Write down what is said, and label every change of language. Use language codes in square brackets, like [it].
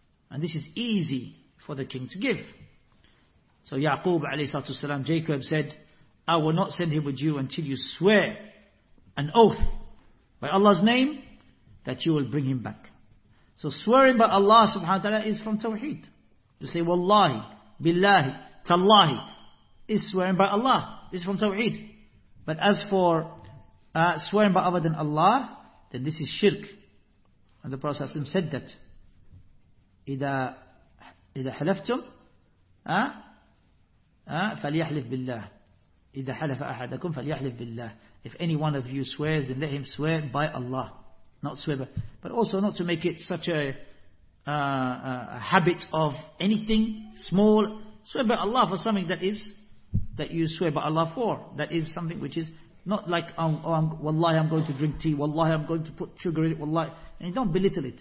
[en] And this is easy for the king to give. So Ya'qub alayhi salam, Jacob said, I will not send him with you until you swear an oath by Allah's name that you will bring him back. So swearing by Allah subhanahu wa ta'ala is from Tawheed. To say Wallahi, Billahi, Tallahi is swearing by Allah. This is from Tawheed. But as for swearing by other than Allah, then this is shirk. And the Prophet said that [ar] إِذَا حَلَفْتُمْ فَلْيَحْلِفْ بِاللَّهِ إِذَا حَلَفَ أَحَدَكُمْ فَلْيَحْلِفْ بِاللَّهِ. [en] If any one of you swears, then let him swear by Allah. Not swear by, but also not to make it such a habit of anything small. Swear by Allah for something that is, that you swear by Allah for. That is something which is not like, wallahi I'm going to drink tea, wallahi I'm going to put sugar in it, wallahi. And you don't belittle it.